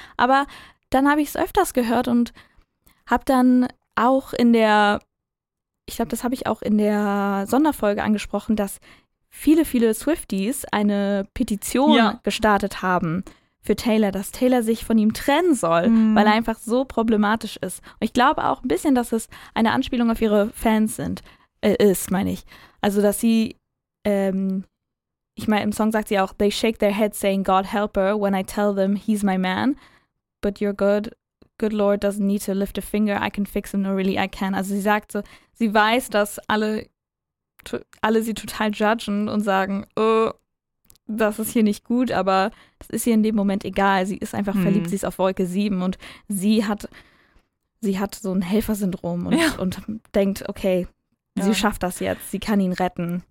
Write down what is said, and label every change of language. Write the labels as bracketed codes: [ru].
[de] Aber dann habe ich es öfters gehört und habe dann auch in der, ich glaube, das habe ich auch in der Sonderfolge angesprochen, dass viele, viele Swifties eine Petition gestartet haben für Taylor, dass Taylor sich von ihm trennen soll, weil er einfach so problematisch ist. Und ich glaube auch ein bisschen, dass es eine Anspielung auf ihre Fans ist. Also, dass sie, ich meine, im Song sagt sie auch, [en] they shake their heads saying, God help her when I tell them he's my man, but your good Lord doesn't need to lift a finger, I can fix him, no really I can. [de] Also sie sagt so, sie weiß, dass alle sie total judgen und sagen, oh, das ist hier nicht gut, aber das ist ihr in dem Moment egal. Sie ist einfach verliebt, sie ist auf Wolke 7 und sie hat so ein Helfersyndrom und denkt, okay, sie schafft das jetzt, sie kann ihn retten.